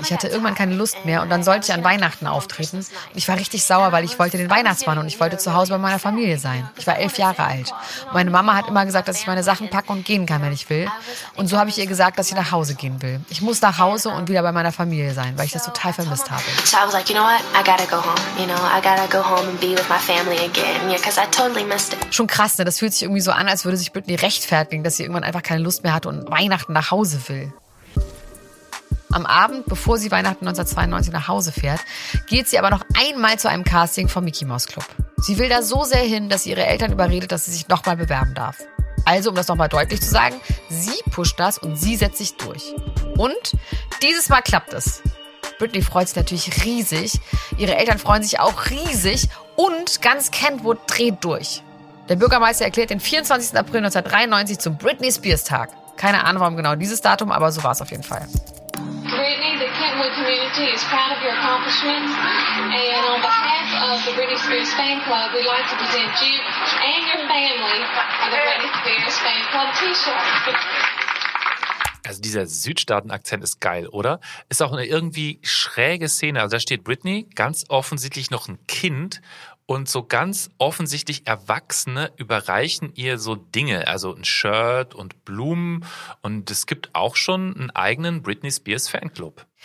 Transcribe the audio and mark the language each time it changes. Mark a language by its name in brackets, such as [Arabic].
[German] Ich hatte irgendwann keine Lust mehr und dann sollte ich an Weihnachten auftreten. Ich war richtig sauer, weil ich wollte den Weihnachtsmann und ich wollte zu Hause bei meiner Familie sein. Ich war 11 Jahre alt. Meine Mama hat immer gesagt, dass ich meine Sachen packen und gehen kann, wenn ich will. Und so habe ich ihr gesagt, dass ich nach Hause gehen will. Ich muss nach Hause und wieder bei meiner Familie sein, weil ich das total vermisst habe. [English] So I was like, you know what? I gotta go home. You know, I gotta go home and be with my family again. Yeah, cause I totally missed it. [German] Schon krass, ne? Das fühlt sich irgendwie so an, als würde sich Britney rechtfertigen, dass sie irgendwann einfach keine Lust mehr hatte und Weihnachten nach Hause will. Am Abend, bevor sie Weihnachten 1992 nach Hause fährt, geht sie aber noch einmal zu einem Casting vom Mickey Mouse Club. Sie will da so sehr hin, dass sie ihre Eltern überredet, dass sie sich nochmal bewerben darf. Also, um das nochmal deutlich zu sagen, sie pusht das und sie setzt sich durch. Und dieses Mal klappt es. Britney freut sich natürlich riesig, ihre Eltern freuen sich auch riesig und ganz Kentwood dreht durch. Der Bürgermeister erklärt den 24. April 1993 zum Britney Spears Tag. Keine Ahnung, warum genau dieses Datum, aber so war es auf jeden Fall. [English] Britney, the Kentwood community is proud of your accomplishments. And on behalf of the Britney Spears Fan Club, we'd like to present you and your family the Britney Spears Fan Club T-Shirt. [German] Also dieser Südstaaten-Akzent ist geil, oder? Ist auch eine irgendwie schräge Szene. Also da steht Britney, ganz offensichtlich noch ein Kind. Und so ganz offensichtlich Erwachsene überreichen ihr so Dinge, also ein Shirt und Blumen. Und es gibt auch schon einen eigenen Britney Spears Fanclub.